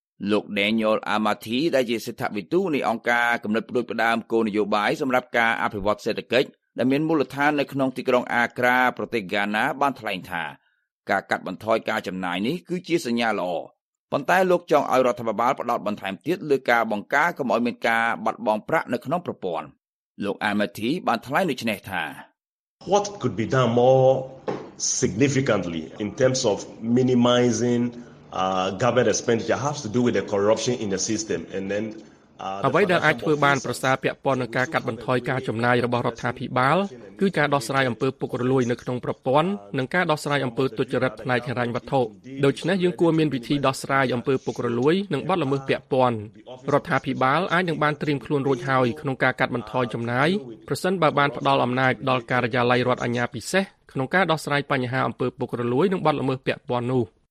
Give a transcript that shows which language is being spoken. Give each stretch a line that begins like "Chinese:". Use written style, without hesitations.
Khmer: លោក Daniel Amati ដែលជាសិទ្ធិវិទូនៃអង្គការកំណត់ប្រដូចផ្ដាមគោលនយោបាយសម្រាប់ការអភិវឌ្ឍសេដ្ឋកិច្ចដែលមានមូលដ្ឋាននៅក្នុងទីក្រុង Accra ប្រទេសកាណាបានថ្លែងថាការកាត់បន្ថយការចំណាយនេះគឺជាសញ្ញាល្អប៉ុន្តែលោកចង់ឲ្យរដ្ឋាភិបាលផ្ដោតបន្ថែមទៀតលើការបង្ការកុំឲ្យមានការបាត់បង់ប្រាក់នៅក្នុងប្រព័ន្ធលោក Amati បានថ្លែងដូចនេះថា
English: What could be done more significantly in terms of minimizing government expenditure has to do with the corruption in the system and then
Khmer: អ្វីដែលអាចធ្វើបានប្រសើរពាក់ព័ន្ធនឹងការកាត់បន្ថយការចំណាយរបស់រដ្ឋាភិបាល គឺការដោះស្រាយអំពើពុករលួយនៅក្នុងប្រព័ន្ធនិងការដោះស្រាយអំពើទុច្ចរិតផ្នែកហិរញ្ញវត្ថុដូច្នេះយើងគួរមានវិធីដោះស្រាយអំពើពុករលួយនិងបទល្មើសពាក់ព័ន្ធរដ្ឋាភិបាលអាចនឹងបានត្រៀមខ្លួនរួចហើយក្នុងការកាត់បន្ថយចំណាយប្រសិនបើបានផ្ដល់អំណាចដល់ការិយាល័យរដ្ឋអាជ្ញាពិសេសក្នុងការដោះស្រាយបញ្ហាអំពើពុករលួយនិងបទល្មើសពាក់ព័ន្ធនោះ